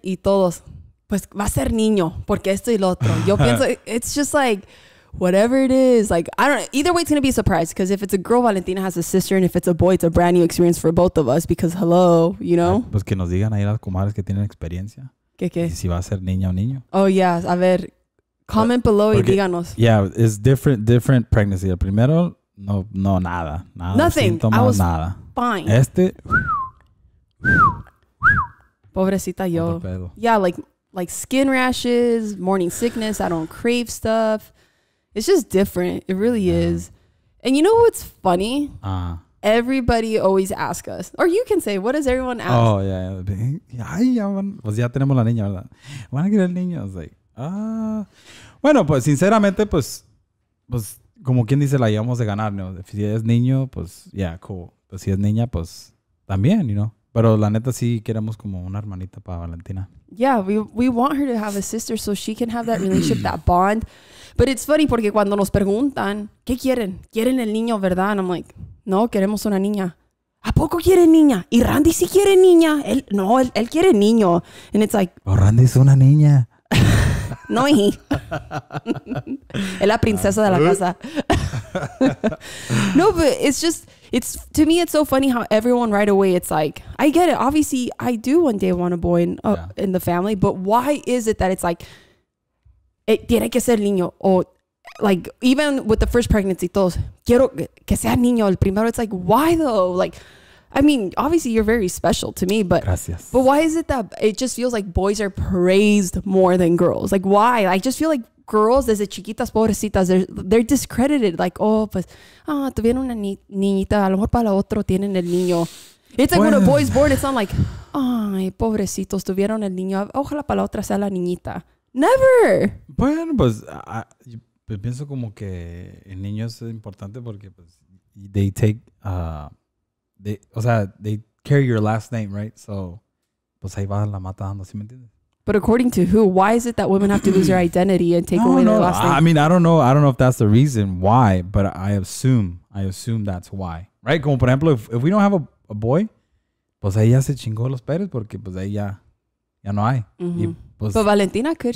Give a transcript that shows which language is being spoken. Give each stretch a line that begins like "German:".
Spanish: Y todos, pues va a ser niño, porque esto y lo otro. Yo pienso,
English: it's just like, whatever it is, like, I don't know. Either way, it's going to be a surprise because if it's a girl, Valentina has a sister. And if it's a boy, it's a brand new experience for both of us because hello, you know?
Spanish: Pues que nos digan ahí las comadres que tienen experiencia. ¿Qué, qué? Si va a ser niña o niño.
English: Oh, yeah.
Spanish: A ver,
English: comment below
Spanish: porque, y díganos.
English: Yeah, it's different pregnancy.
Spanish: El primero, no, no, nada. Nada.
English: Nothing.
Spanish: Síntomas,
English: I was
Spanish: nada.
English: Fine.
Spanish: Este. Pobrecita yo.
English: Yeah, like skin rashes, morning sickness. I don't crave stuff. It's just different. It really is. And you know what's funny? Everybody always asks us. Or you can say, what does everyone ask? Oh, yeah.
Spanish: Ay, ya, pues ya tenemos la niña, ¿verdad? ¿Van a querer el niño?
English: I was like,
Spanish: bueno, pues sinceramente, pues como quien dice, la llevamos de ganar, ¿no? Si es niño, pues,
English: yeah, cool.
Spanish: Pues si es niña, pues también,
English: you know?
Spanish: Pero la neta sí queremos como una hermanita para Valentina.
English: Yeah, we want her to have a sister so she can have that relationship, that bond. But it's funny
Spanish: porque cuando nos preguntan, ¿qué quieren? ¿Quieren el niño, verdad?
English: And I'm like,
Spanish: no, queremos una niña. ¿A poco quieren niña? ¿Y Randy sí quiere niña? Él, no, él quiere niño.
English: And it's like...
Spanish: Oh, Randy es una niña. No,
English: he.
Spanish: Es la princesa de la casa.
English: No, but it's just... It's to me, it's so funny how everyone right away, it's like, I get it. Obviously, I do one day want a boy in the family. But why is it that it's like...
Spanish: Tiene que ser niño.
English: Or like, even with the first pregnancy,
Spanish: todos, quiero que sea niño el primero.
English: It's like, why though? Like, I mean, obviously you're very special to me, but
Spanish: gracias.
English: But why is it that it just feels like boys are praised more than girls? Like, why? I just feel like girls,
Spanish: desde chiquitas, pobrecitas,
English: they're discredited. Like,
Spanish: oh, pues, ah, tuvieron una niñita, a lo mejor para la otro tienen el niño.
English: It's like,
Spanish: bueno,
English: when a boy's born, it's not like,
Spanish: ay, pobrecitos, tuvieron el niño, ojalá para la otra sea la niñita.
English: Never.
Spanish: Bueno, pues, yo pienso como que el niño es importante porque, pues,
English: they take, they carry your last name, right?
Spanish: So, pues ahí va la mata dando, ¿sí me entiendes?
English: But according to who? Why is it that women have to lose their identity and take away their last name? I mean, I don't know. I don't know if that's the reason why, but I assume that's why, right?
Spanish: Como por ejemplo,
English: if we don't have a boy,
Spanish: pues ahí ya se chingó los Pérez porque pues ahí ya no hay.
English: Mm-hmm. But Valentina could.